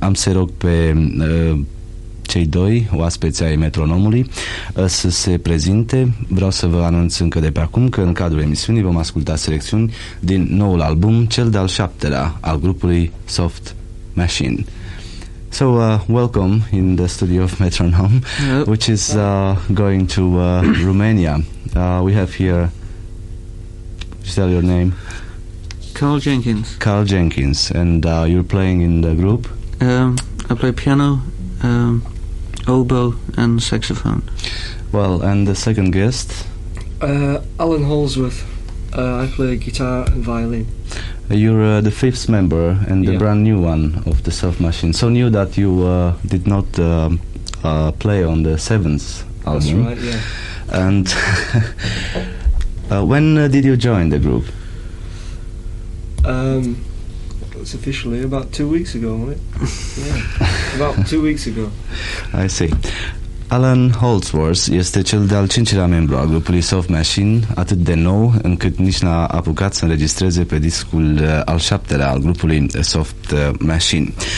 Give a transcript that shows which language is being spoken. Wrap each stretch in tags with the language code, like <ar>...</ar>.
<ro>Am să rog pe cei doi oaspeți ai Metronomului să se prezinte. Vreau să vă anunț încă de pe acum că în cadrul emisiunii vom asculta selecțiuni din noul album, cel de-al șaptelea al grupului Soft Machine.</ro> <en>So, welcome in the studio of Metronom, which is going to Romania. We have here, just tell your name. Carl Jenkins. Carl Jenkins. And you're playing in the group? I play piano, oboe and saxophone. Well, and the second guest? Alan Holdsworth. I play guitar and violin. You're the fifth member and the brand new one of the Soft Machine. So new that you did not play on the seventh album. That's right, yeah. And when did you join the group? It's officially about 2 weeks ago, wasn't it? I see.</en> <ro>Alan Holdsworth este cel de-al cincilea membru al grupului Soft Machine, atât de nou încât nici n-a apucat să înregistreze pe discul al șaptelea al grupului Soft Machine.</ro>